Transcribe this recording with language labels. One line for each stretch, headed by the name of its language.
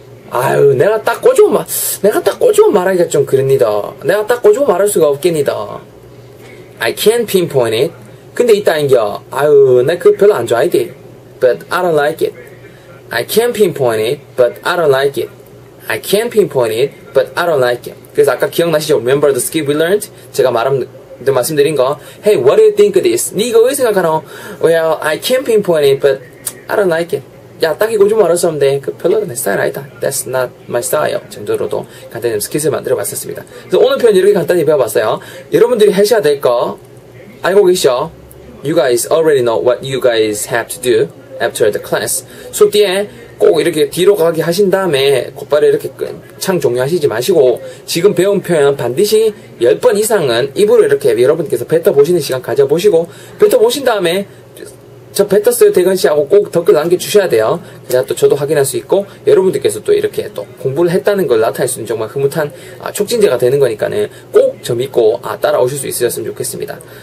Korean: 아유, 내가 딱 꼬집어 말하기가 좀 그립니다. 내가 딱 꼬집어 말할 수가 없겠니다.
English: I can't pinpoint it.
Korean: 근데 이따 인겨. 아유, 나 그거 별로 안 좋아하지.
English: But I don't like it. I can't pinpoint it, but I don't like it. I can't pinpoint it, but I don't like it.
Korean: 그래서 아까 기억나시죠?
English: Remember the skill we learned?
Korean: 제가 말씀드린 거.
English: Hey, what do you think of this?
Korean: 니 이거 왜 생각하노?
English: Well, I can't pinpoint it, but I don't like it.
Korean: 야, 딱히 고주 말할 수 없는데, 그 별로 내 스타일 아니다.
English: That's not my style.
Korean: 정도로도 간단히 스킬을 만들어 봤었습니다. 그래서 오늘 표현 이렇게 간단히 배워봤어요. 여러분들이 하셔야 될 거, 알고 계시죠?
English: You guys already know what you guys have to do after the class.
Korean: 수업 뒤에 꼭 이렇게 뒤로 가게 하신 다음에, 곧바로 이렇게 창 종료하시지 마시고, 지금 배운 표현 반드시 10번 이상은 입으로 이렇게 여러분께서 뱉어보시는 시간 가져보시고, 뱉어보신 다음에, 저 뱉었어요 대건씨하고 꼭 댓글 남겨주셔야 돼요. 그래야 또 저도 확인할 수 있고 여러분들께서 또 이렇게 또 공부를 했다는 걸 나타낼 수 있는 정말 흐뭇한 촉진제가 되는 거니까는 꼭 저 믿고 따라오실 수 있으셨으면 좋겠습니다.